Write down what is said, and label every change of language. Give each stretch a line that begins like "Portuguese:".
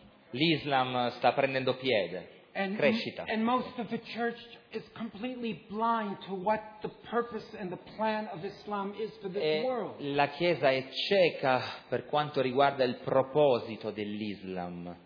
Italian: L'Islam sta prendendo piede. Crescita.
English: And most of the church is completely blind to what the purpose and the plan of Islam is for this world.
Italian: La Chiesa è cieca per quanto riguarda il proposito dell'Islam.